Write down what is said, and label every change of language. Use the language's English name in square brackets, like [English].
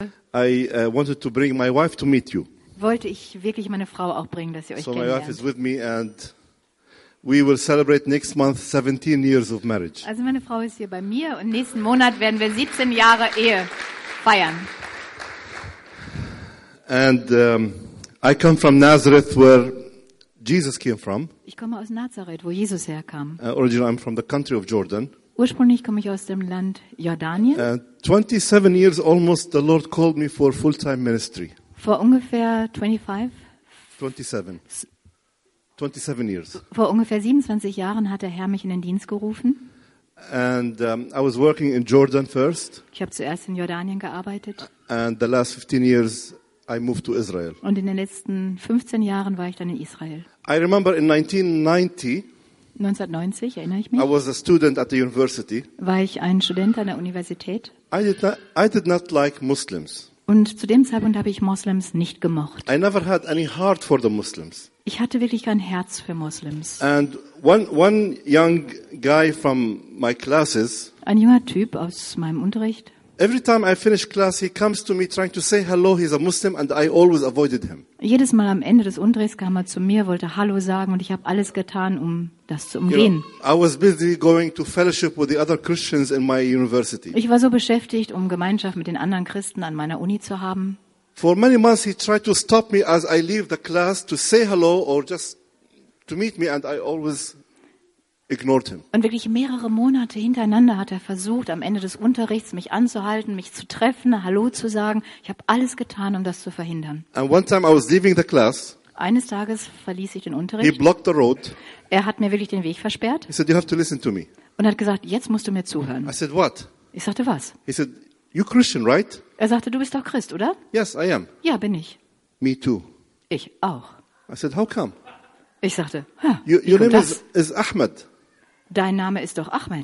[English] I wanted to bring my wife to meet you. [German] Wollte ich wirklich meine Frau auch bringen, dass ihr euch kennenlernt. [English] So my wife is with me and we will celebrate next month 17 years of marriage. [German] Also meine Frau ist hier bei mir und nächsten Monat werden wir 17 Jahre Ehe feiern. [English] And I come from Nazareth, where Jesus came from. [German] Ich komme aus Nazareth, wo Jesus herkam. [English] Originally I'm from the country of Jordan. [German] Ursprünglich komme ich aus dem Land Jordanien. [English] 27 years almost the Lord called me for full-time ministry. [German] Vor ungefähr [English] 27 years. [German] Vor ungefähr 27 Jahren hat der Herr mich in den Dienst gerufen. [English] And I was working in Jordan first. [German] Ich habe zuerst in Jordanien gearbeitet. [English] And the last 15 years I moved to Israel. [German] Und in den letzten 15 Jahren war ich dann in Israel. [English] I remember in 1990. [German] 1990, erinnere ich mich. [English] I was a student at the university. [German] War ich ein Student an der Universität. [English] I did not like Muslims. [German] Und zu dem Zeitpunkt habe ich Moslems nicht gemocht. [English] I never had any heart for the Muslims. [German] Ich hatte wirklich kein Herz für Muslims. [English] And one young guy from my classes. [German] Ein junger Typ aus meinem Unterricht. [English] Every time I finish class, he comes to me trying to say hello. He's a Muslim, and I always avoided him. [German] Jedes Mal am Ende des Unterrichts kam er zu mir, wollte Hallo sagen, und ich habe alles getan, um das zu umgehen. [English] You know, I was busy going to fellowship with the other Christians in my university. [German] Ich war so beschäftigt, um Gemeinschaft mit den anderen Christen an meiner Uni zu haben. [English] For many months, he tried to stop me as I leave the class to say hello or just to meet me, and I always ignored him. [German] Und wirklich mehrere Monate hintereinander hat er versucht, am Ende des Unterrichts mich anzuhalten, mich zu treffen, Hallo zu sagen. Ich habe alles getan, um das zu verhindern. [English] And one time I was leaving the class. [German] Eines Tages verließ ich den Unterricht. [English] He blocked the road. [German] Er hat mir wirklich den Weg versperrt. [English] He said, you have to listen to me. [German] Und hat gesagt, jetzt musst du mir zuhören. [English] I said, what? [German] Ich sagte, was? [English] He said, you're Christian, right? [German] Er sagte, du bist doch Christ, oder? [English] Yes, I am. [German] Ja, bin ich. [English] Me too. [German] Ich auch. [English] I said, how come? [German] Ich sagte, [English] your name is Ahmed. [German] Dein Name ist doch Ahmed.